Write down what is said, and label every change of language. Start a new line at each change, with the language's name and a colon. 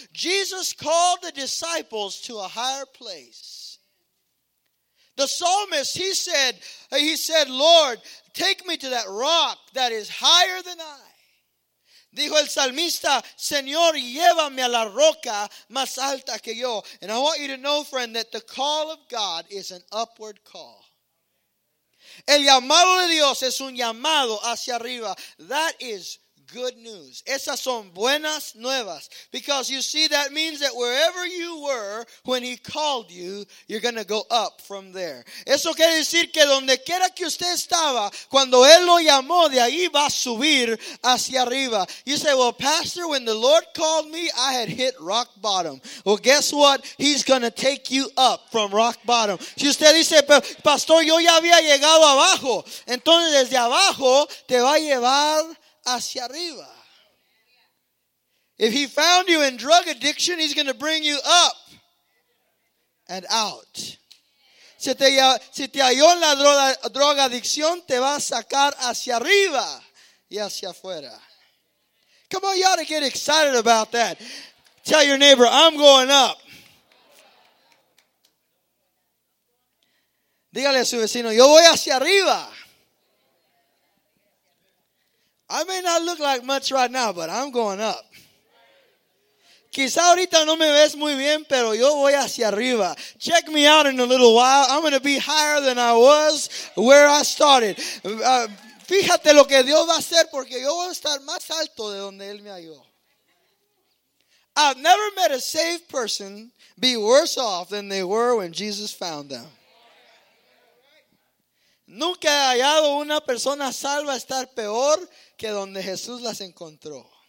English: Jesus called the disciples to a higher place. The psalmist, he said, Lord, take me to that rock that is higher than I.
Spanish: Dijo el salmista, Señor, llévame a la roca más alta que yo.
English: And I want you to know, friend, that the call of God is an upward call.
Spanish: El llamado de Dios es un llamado hacia arriba.
English: That is good news.
Spanish: Esas son buenas nuevas.
English: Because you see, that means that wherever you were when he called you, you're going to go up from there.
Spanish: Eso quiere decir que donde quiera que usted estaba, cuando él lo llamó, de ahí va a subir hacia arriba.
English: You say, well, pastor, when the Lord called me, I had hit rock bottom. Well, guess what? He's going to take you up from rock bottom.
Spanish: Si usted dice, pastor, yo ya había llegado abajo. Entonces, desde abajo, te va a llevar hacia arriba.
English: If he found you in drug addiction, he's going to bring you up and out.
Spanish: Si te halló en la droga adicción, te va a sacar hacia arriba y hacia afuera.
English: Come on, you ought to get excited about that. Tell your neighbor, I'm going up.
Spanish: Dígale a su vecino, yo voy hacia arriba.
English: I may not look like much right now, but I'm going up.
Spanish: Quizá ahorita no me ves muy bien, pero yo voy hacia arriba.
English: Check me out in a little while. I'm going to be higher than I was where I started.
Spanish: Fíjate lo que Dios va a hacer, porque yo voy a estar más alto de donde Él me halló.
English: I've never met a saved person be worse off than they were when Jesus found them.
Spanish: Nunca he hallado una persona salva estar peor que donde Jesús las encontró.